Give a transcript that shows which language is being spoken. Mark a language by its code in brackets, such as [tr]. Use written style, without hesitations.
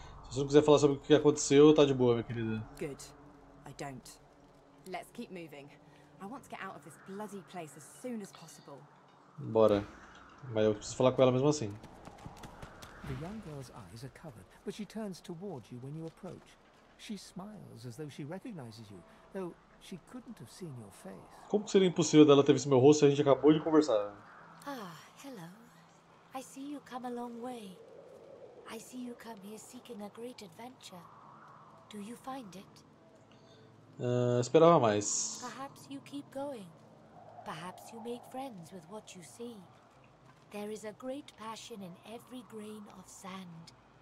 [pt] Se você não quiser falar sobre o que aconteceu, tá de boa, minha querida. [en] Good. I don't. Let's keep moving. I want to get out of this bloody place as soon as possible. [pt] Bora. Mas eu preciso falar com ela mesmo assim. [en] The young girl's eyes are covered, but she turns toward you when you approach. She smiles as though she recognizes you, though she couldn't have seen your face. [pt] Como que seria impossível dela ter visto meu rosto se a gente acabou de conversar? [en] Ah, hello. I see you come a long way. I see you come here seeking a great adventure. Do you find it? [pt] Esperava mais. [en] Perhaps you keep going. Perhaps you make friends with what you see. There is a great passion in every grain of sand.